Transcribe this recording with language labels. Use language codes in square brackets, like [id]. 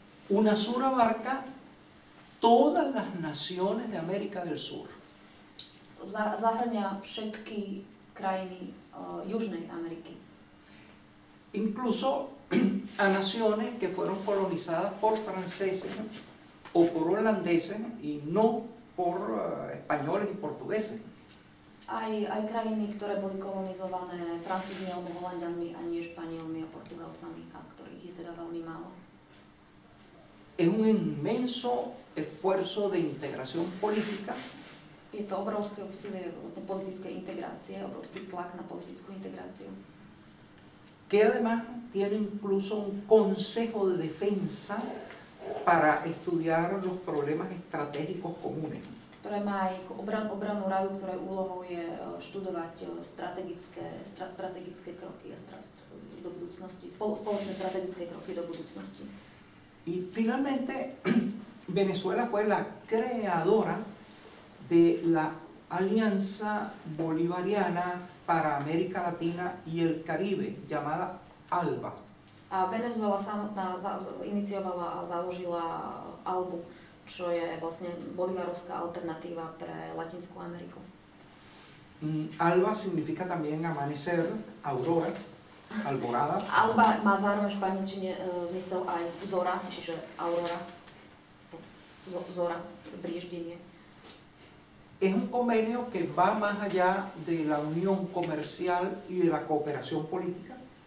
[es] UNASUR abarca todas las naciones de América del Sur. [sk] Zahŕňa všetky krajiny Južnej Ameriky. [es] Incluso a naciones que fueron colonizadas por franceses o por holandeses y no por españoles y portugueses. [sk] Aj krajiny, ktoré boli kolonizované Francúzmi alebo Holandianmi a nie Španielmi a Portugalcami, a ktorých je teda veľmi málo. [es] Es un inmenso esfuerzo de integración política. [sk] Je to obrovské úsilie vlastne politickej integrácie, obrovský tlak na politickú integráciu. [es] Que además tiene incluso un consejo de defensa para estudiar los problemas estratégicos comunes. [sk] Ktoré má aj obrannú radu, ktorej úlohou je študovať strategické kroky do budúcnosti, spoločné strategické kroky do budúcnosti. [es] Y finalmente Venezuela fue la creadora de la Alianza Bolivariana para América Latina y el Caribe, llamada ALBA. [sk] A Venezuela samotná iniciovala a založila ALBU, čo je vlastne bolivarovská alternatíva pre Latinskú Ameriku. [es] ALBA significa también amanecer, aurora, alborada. [sk] ALBA má zároveň v španielčine zmysel aj zora, čiže aurora, zora, brieždenie. [es] Es un convenio que va más allá de la unión comercial y de la cooperación política.